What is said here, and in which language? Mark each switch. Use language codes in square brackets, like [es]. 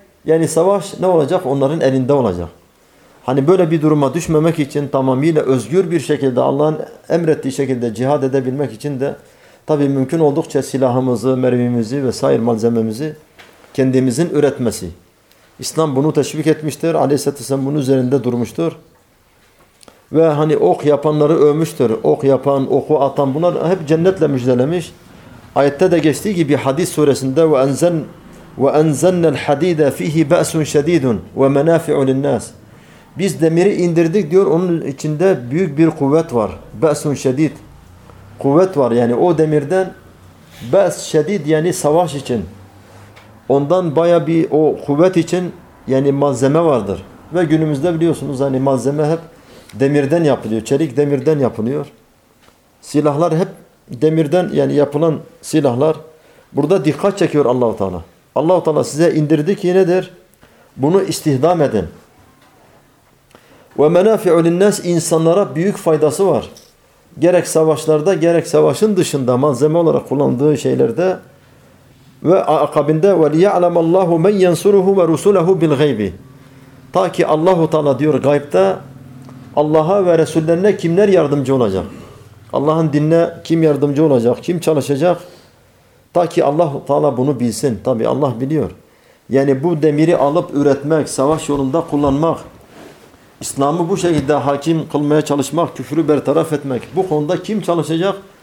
[tr] Yani savaş ne olacak? Onların elinde olacak. Hani böyle bir duruma düşmemek için tamamıyla özgür bir şekilde Allah'ın emrettiği şekilde cihad edebilmek için de tabii mümkün oldukça silahımızı, mermimizi vesaire malzememizi kendimizin üretmesi. İslam bunu teşvik etmiştir. Aleyhisselatü Vesselam bunun üzerinde durmuştur. Ve hani ok yapanları övmüştür. Ok yapan, oku atan, bunlar hep cennetle müjdelemiş. Ayette de geçtiği gibi Hadid suresinde [ar] وَاَنْزَلْنَا الْحَد۪يدَ ف۪يهِ بَأْسٌ شَد۪يدٌ وَمَنَافِعُ لِلنَّاسِ. [tr] Biz demiri indirdik diyor, onun içinde büyük bir kuvvet var. [ar] بَأْسٌ شَد۪يد. [tr] Kuvvet var yani o demirden. [ar] بَأْس شَد۪يد [tr] yani savaş için. Ondan baya bir o kuvvet için yani malzeme vardır. Ve günümüzde biliyorsunuz hani malzeme hep demirden yapılıyor. Çelik demirden yapılıyor. Silahlar hep demirden yani yapılan silahlar. Burada dikkat çekiyor Allah-u Teala. Allah-u Teala size indirdi ki nedir? Bunu istihdam edin. [ar] وَمَنَافِعُ لِلنَّاسِ [tr] insanlara büyük faydası var. Gerek savaşlarda, gerek savaşın dışında malzeme olarak kullandığı şeylerde. Ve akabinde [ar] وَلِيَعْلَمَ اللّٰهُ مَنْ يَنْصُرُهُ وَرُسُولَهُ بِالْغَيْبِ. [tr] Ta ki Allah-u Teala diyor gaybde Allah'a ve Resullerine kimler yardımcı olacak? Allah'ın dinine kim yardımcı olacak? Kim çalışacak? Ta ki Allah-u Teala bunu bilsin. Tabi Allah biliyor. Yani bu demiri alıp üretmek, savaş yolunda kullanmak, İslam'ı bu şekilde hakim kılmaya çalışmak, küfrü bertaraf etmek, bu konuda kim çalışacak?